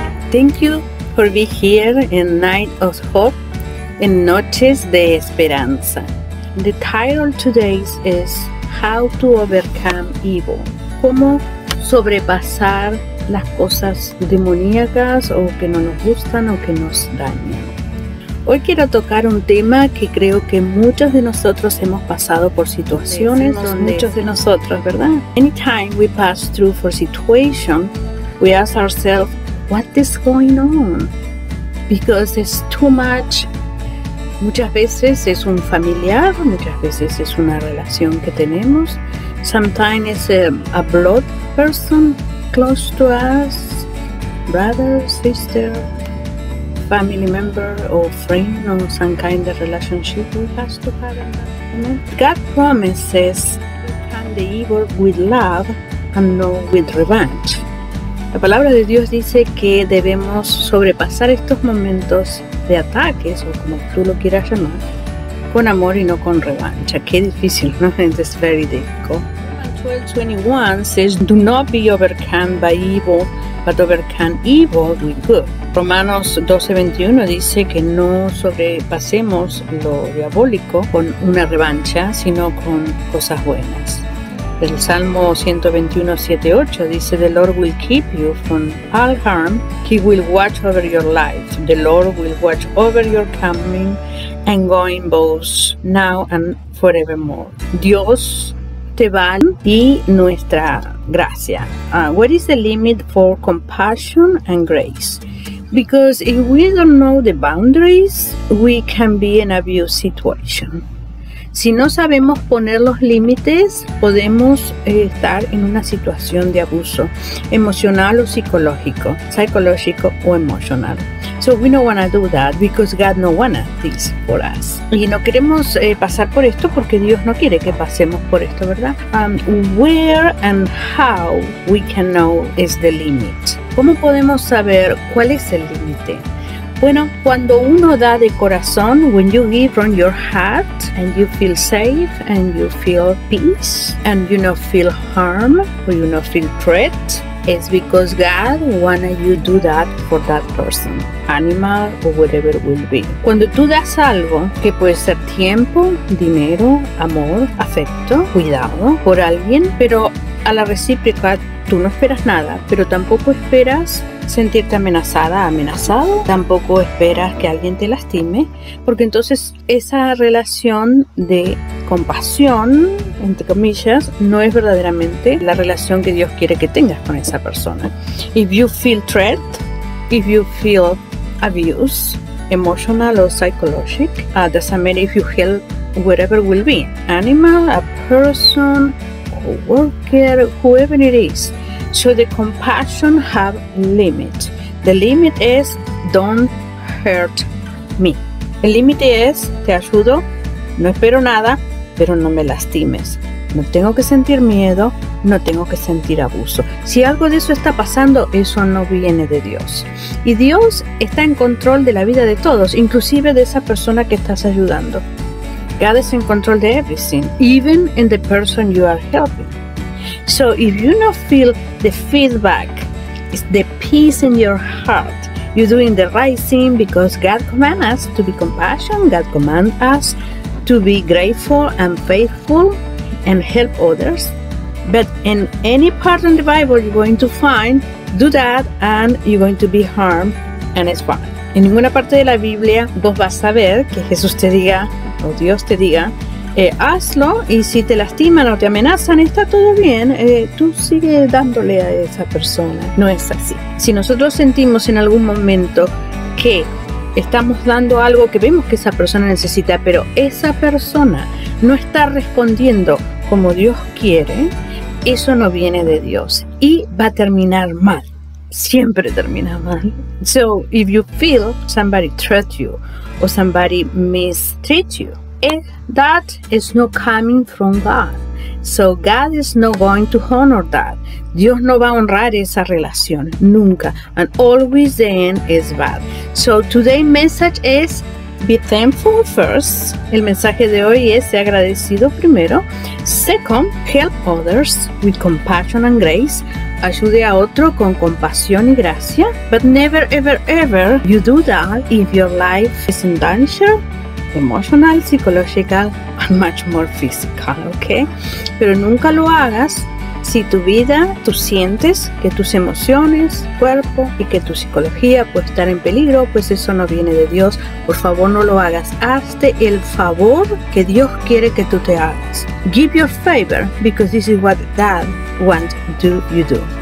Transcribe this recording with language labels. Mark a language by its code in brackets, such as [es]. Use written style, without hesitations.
[en] Thank you for being here in Night of Hope and Noches de Esperanza. The title today is How to Overcome Evil. [es] Cómo sobrepasar las cosas demoníacas o que no nos gustan o que nos dañan. Hoy quiero tocar un tema que creo que muchos de nosotros hemos pasado por situaciones. ¿verdad? [en] Anytime we pass through for situation, we ask ourselves, what is going on? Because it's too much. [es] Muchas veces es un familiar, muchas veces es una relación que tenemos. [en] Sometimes it's a blood person close to us, brother, sister, family member, or friend, or some kind of relationship we have to have in that moment. God promises to end the evil with love and not with revenge. [es] La palabra de Dios dice que debemos sobrepasar estos momentos de ataques, o como tú lo quieras llamar, con amor y no con revancha. Qué difícil, ¿no? [en] It's very difficult. 12:21 says, do not be overcome by evil, but overcome evil with good. Romanos 12:21 dice que no sobrepasemos lo diabólico con una revancha, sino con cosas buenas. [es] El Salmo 121:7-8 dice, [en] the Lord will keep you from all harm. He will watch over your life. The Lord will watch over your coming and going both now and forevermore. [es] Dios te va y nuestra gracia. [en] What is the limit for compassion and grace? Because if we don't know the boundaries, we can be in an abuse situation. [es] Si no sabemos poner los límites, podemos estar en una situación de abuso emocional o psicológico, psicológico o emocional. [en] So we don't want to do that because God no wants this for us. [es] Y no queremos pasar por esto porque Dios no quiere que pasemos por esto, ¿verdad? [en] Where and how we can know is the limit. [es] ¿Cómo podemos saber cuál es el límite? Bueno, cuando uno da de corazón, [en] when you give from your heart and you feel safe and you feel peace and you not feel harm or you not feel threat, it's because God wanted you to do that for that person, animal or whatever it will be. [es] Cuando tú das algo que puede ser tiempo, dinero, amor, afecto, cuidado por alguien, pero a la recíproca tú no esperas nada, pero tampoco esperas sentirte amenazada, amenazado. Tampoco esperas que alguien te lastime, porque entonces esa relación de compasión, entre comillas, no es verdaderamente la relación que Dios quiere que tengas con esa persona. If you feel threat, if you feel abuse, emotional or psychologic, doesn't matter if you help whatever will be, animal, a person, a worker, whoever it is. So the compassion have limit. The limit is don't hurt me. El límite es te ayudo, no espero nada, pero no me lastimes. No tengo que sentir miedo, no tengo que sentir abuso. Si algo de eso está pasando, eso no viene de Dios. Y Dios está en control de la vida de todos, inclusive de esa persona que estás ayudando. [en] God is in control of everything, even in the person you are helping. So if you not feel the feedback, the peace in your heart, You're doing the right thing because God commands us to be compassionate. God commands us to be grateful and faithful and help others. But in any part in the Bible you're going to find, do that and you're going to be harmed and it's fine. [es] En ninguna parte de la Biblia vos vas a ver que Jesús te diga o Dios te diga, hazlo y si te lastiman o te amenazan, está todo bien, tú sigue dándole a esa persona. No es así. Si nosotros sentimos en algún momento que estamos dando algo que vemos que esa persona necesita, pero esa persona no está respondiendo como Dios quiere, eso no viene de Dios y va a terminar mal. Siempre termina mal. [en] So if you feel somebody treat you or somebody mistreat you, that is not coming from God. So God is not going to honor that. [es] Dios no va a honrar esa relación nunca. [en] And always the end is bad. So today's message is be thankful first. [es] El mensaje de hoy es ser agradecido primero. [en] Second, help others with compassion and grace. [es] Ayude a otro con compasión y gracia. [en] But never, ever, ever you do that if your life is in danger, emotional, psychological, and much more physical, okay? [es] Pero nunca lo hagas si tu vida, tú sientes que tus emociones, cuerpo y que tu psicología puede estar en peligro, pues eso no viene de Dios. Por favor, no lo hagas. Hazte el favor que Dios quiere que tú te hagas. [en] Give your favor because this is what God wants to you do.